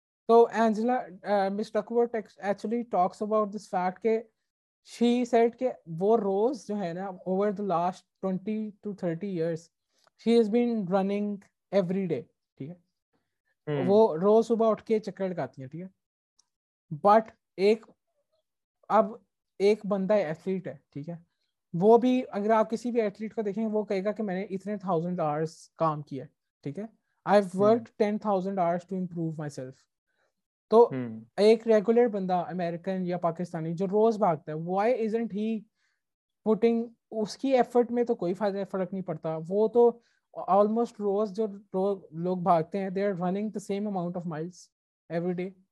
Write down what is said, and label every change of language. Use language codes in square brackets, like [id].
[en] تو Angela Duckworth actually talks about this fact کہ she said [ur] کہ وہ روز جو ہے نا [en] Over the last 20 to 30 years she has been running every day. [ur] ٹھیک ہے, وہ روز صبح اٹھ کے چکر لگاتی ہیں. ٹھیک ہے, بٹ ایک بندہ ایتھلیٹ ہے. ٹھیک ہے, وہ بھی اگر آپ کسی بھی ایتھلیٹ کو دیکھیں وہ کہے گا کہ میں نے اتنے 1000 آورز کام کیا ہے. ٹھیک ہے, [en] I've worked 10,000 hours to improve myself. [ur] تو ایک ریگولر بندہ امریکن یا پاکستانی جو روز بھاگتا ہے, [en] why isn't he putting, [ur] اس کی ایفرٹ میں تو کوئی فائدہ فرق نہیں پڑتا, وہ تو آلموسٹ روز جو لوگ بھاگتے ہیں [en] They are running the same amount of miles every day.